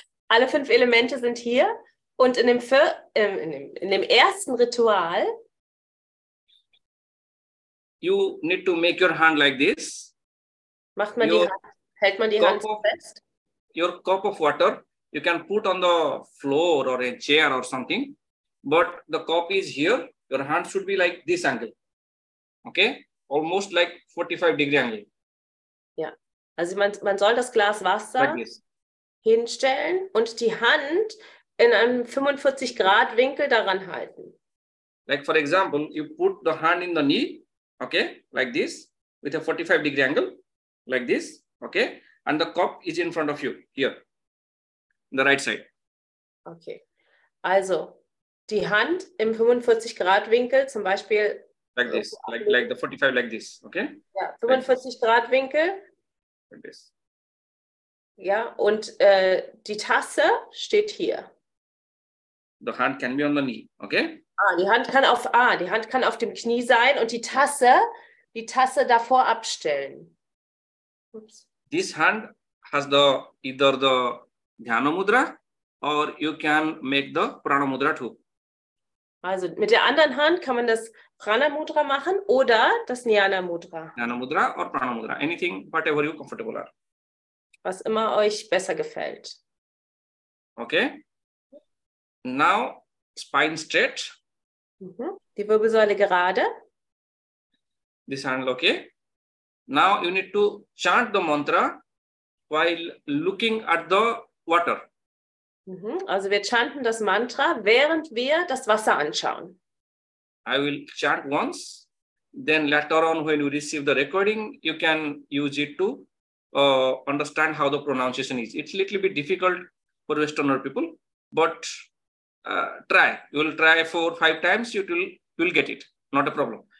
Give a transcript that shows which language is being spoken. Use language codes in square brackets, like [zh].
[de] Alle fünf Elemente sind hier und in dem ersten Ritual [en] you need to make your hand like this. [de] Hält man die Hand fest? [en] Your cup of water, you can put on the floor or a chair or something. But the cup is here, your hand should be like this angle. Okay? Almost like 45 degree angle. [de] Ja, also man soll das Glas Wasser [en] like this [de] hinstellen und die Hand in einem 45 Grad Winkel daran halten. [en] Like for example, you put the hand in the knee, okay, like this, with a 45 degree angle, like this, okay? And the cup is in front of you, here, on the right side. [de] Okay, also die Hand im 45 Grad Winkel, zum Beispiel [en] like this, like the 45, like this, okay? [de] Ja, 45 Grad Winkel. [en] Like this. [de] Ja, und die Tasse steht hier. [en] The hand can be on the knee, okay? [de] Die Hand kann auf dem Knie sein und die Tasse davor abstellen. [en] Oops. This hand has either the Dhyana Mudra or you can make the Prana Mudra too. [de] Also mit der anderen Hand kann man das Prana Mudra machen oder das Jnana Mudra. [en] Jnana Mudra or Prana Mudra. Anything, whatever you comfortable are. [de] Was immer euch besser gefällt. [en] Okay. Now, spine straight. [de] Die Wirbelsäule gerade. [en] this handle, okay? Now you need to chant the mantra while looking at the water. Mm-hmm. [de] Also wir chanten das Mantra, während wir das Wasser anschauen. [en] I will chant once, then later on when you receive the recording, you can use it to understand how the pronunciation is. It's a little bit difficult for Westerner people, but try. You will try 4-5 times, you will get it. Not a problem.